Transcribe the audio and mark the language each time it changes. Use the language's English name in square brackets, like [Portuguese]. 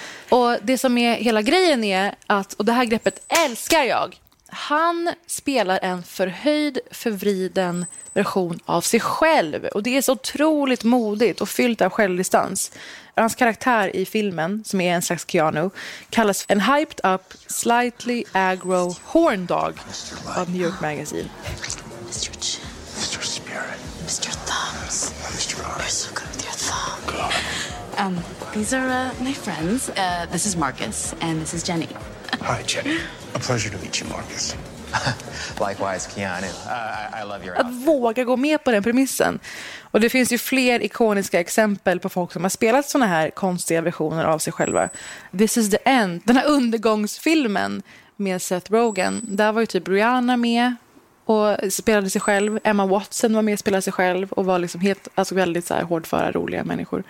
[Swedish] Och det som är hela grejen är att, och det här greppet älskar jag, han spelar en förhöjd, förvriden version av sig själv. Och det är så otroligt modigt och fyllt av självdistans. Hans karaktär i filmen, som är en slags Keanu, kallas en [English] hyped up, slightly aggro horn dog [Swedish] av New York Magazine. [English] Mr. Chin. Mr. Spirit. Mr. Thumbs. Mr. Arm. You're so good with your thumb. Go. These are my friends. This is Marcus, and this is Jenny. Hi, Jenny. A pleasure to meet you, Marcus. Likewise, Keanu. I love your outfit. [Swedish] Att våga gå med på den premissen. Och det finns ju fler ikoniska exempel på folk som har spelat såna här konstiga versioner av sig själva. This is the End, den här undergångsfilmen med Seth Rogen. Där var ju typ Rihanna med och spelade sig själv. Emma Watson var med och spelade sig själv och var liksom helt, alltså väldigt så här hårdföra, roliga människor.